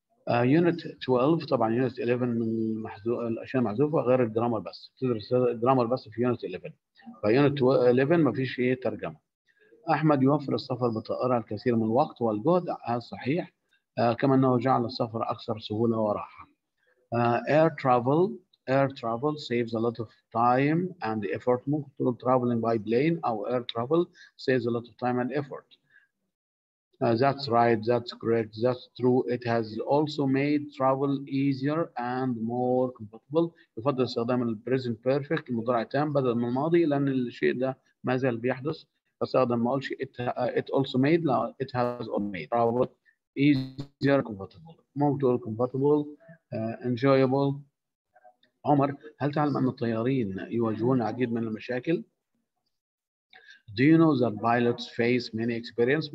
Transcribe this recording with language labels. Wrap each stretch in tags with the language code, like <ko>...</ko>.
<ar>يونت 12، طبعا يونت 11 من الاشياء المحذوفه غير الجرامر بس، تدرس الجرامر بس في يونت 11. فيونت 11 ما فيش فيه ترجمه. احمد يوفر السفر بالطائره الكثير من الوقت والجهد، صحيح. كما انه جعل السفر اكثر سهوله وراحه.</ar> <en>Air travel saves a lot of time and effort.</en> <ar>ممكن تقول</ar> <en>traveling by plane</en> <ar>او</ar> <en>air travel saves a lot of time and effort. That's right, that's correct, that's true. It has also made travel easier and more comfortable.</en> <ar>يفضل استخدام الـ present perfect المضارع التام بدل من الماضي لأن الشيء ده ما زال بيحدث. استخدم ما أقولش</ar> <en>it also made,</en> <ar>لا</ar> <en>it has also made travel easier, comfortable. More comfortable, enjoyable.</en> <ar>عمر، هل تعلم أن الطيارين يواجهون العديد من المشاكل؟</ar> <en>Do you know that pilots face many experience?</en>